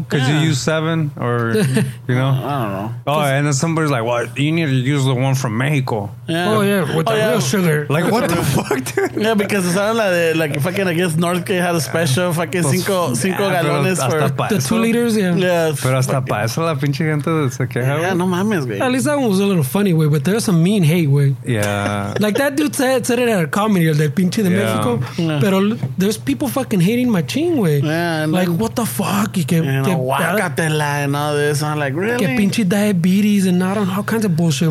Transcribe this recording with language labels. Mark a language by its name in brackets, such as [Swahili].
[English] Because you use 7 or, you know? I don't know. Oh, and then somebody's like, well, you need to use the one from Mexico. Yeah. Oh, yeah. With the real sugar. Like, what the fuck, dude? Yeah, because it's not like fucking, I guess, Northgate had a special fucking [Spanish] cinco galones. [English] The 2 liters, yeah. [Spanish] Pero hasta para eso la pinche gente se queja. Yeah, no mames, güey. [English] At least that one was a little funny, güey, but there's some mean hate, güey. Yeah. Like that dude said it at a comedy, [Spanish] el del pinche de Mexico. [English] Pero there's people fucking hating my ching, güey. Yeah. Like, what the fuck? You know, guácatela and all this. I'm like, really? [Spanish] Que pinche diabetes [English] and I don't know, all kinds of bullshit,